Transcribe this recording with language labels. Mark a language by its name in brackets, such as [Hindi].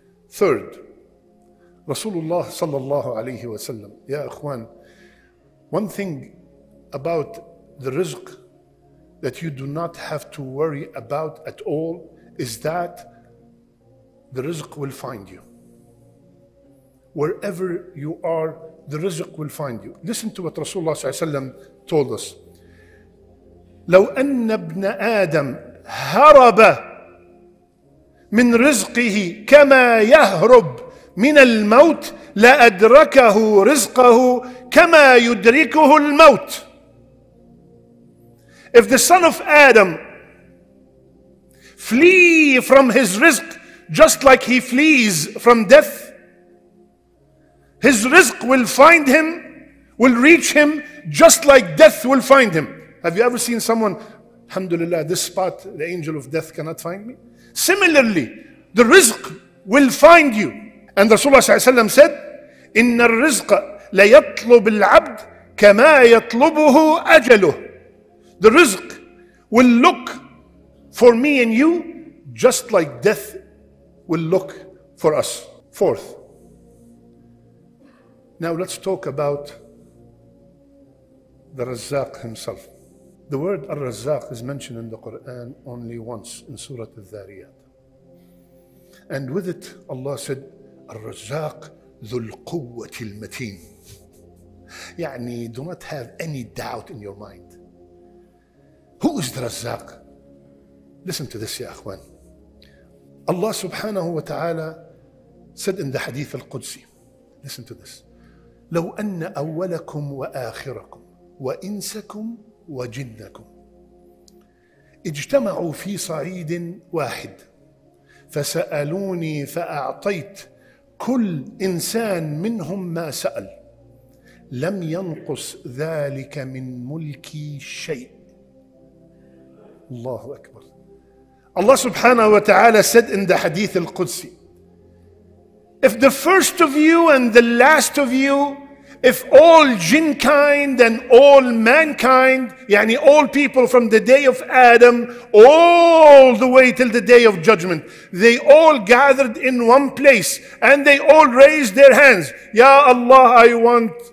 [English] Third, Rasulullah sallallahu alayhi wa sallam, ya akhwan, one thing about the rizq that you do not have to worry about at all is that the rizq will find you. Wherever you are, the rizq will find you. Listen to what Rasulullah sallallahu alayhi wa sallam told us. [Arabic] لو أن ابن آدم هرب من رزقه كما يهرب من الموت لأدركه رزقه كما يدركه الموت. [English] If the son of Adam flee from his rizq just like he flees from death, his rizq will find him, will reach him, just like death will find him. Have you ever seen someone, alhamdulillah, this spot, the angel of death cannot find me? Similarly, the rizq will find you. And Rasulullah ﷺ said, [Arabic] إِنَّ الرِّزْقَ لَيَطْلُبِ الْعَبْدِ كَمَا يَطْلُبُهُ أَجَلُهُ. [English] The rizq will look for me and you, just like death will look for us. Fourth, now let's talk about the Razzaq himself. The word Ar-Razzaq is mentioned in the Quran only once in Surah Al-Dhariyat. And with it, Allah said, [Arabic] Ar-Razzaq dhul quwwatil mateen. [English] Ya'ni, do not have any doubt in your mind. Who is the Razzaq? Listen to this, ya akhwan. Allah subhanahu wa ta'ala said in the Hadith Al-Qudsi, listen to this. [Arabic] لو أن أولكم وآخركم وإنسكم وجنكم اجتمعوا في صعيد واحد فسألوني فأعطيت كل إنسان منهم ما سأل لم ينقص ذلك من ملكي شيء. الله أكبر. [English] الله سبحانه وتعالى said in the Hadith Al-Qudsi, if the first of you and the last of you, if all jinn kind and all mankind, yani all people from the day of Adam all the way till the day of judgment, they all gathered in one place and they all raised their hands, Ya Allah, I want